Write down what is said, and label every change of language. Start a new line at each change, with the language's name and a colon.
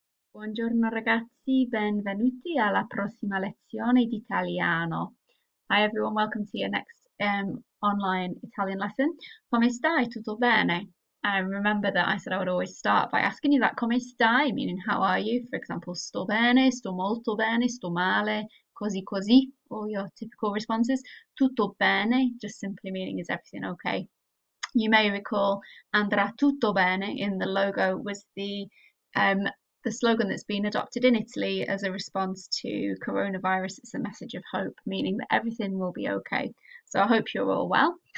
Italian: Buongiorno ragazzi, benvenuti alla prossima lezione di italiano.
English: Hi everyone, welcome to your next online Italian lesson.
Italian: Come stai? Tutto bene?
English: I remember that I said I would always start by asking you that.
Italian: Come stai?
English: Meaning, how are you? For example,
Italian: sto bene, sto molto bene, sto male, così così.
English: All your typical responses.
Italian: Tutto bene,
English: just simply meaning, is everything okay? You may recall,
Italian: andrà tutto bene
English: in the logo was the slogan that's been adopted in Italy as a response to coronavirus. It's a message of hope, meaning that everything will be okay. So I hope you're all well.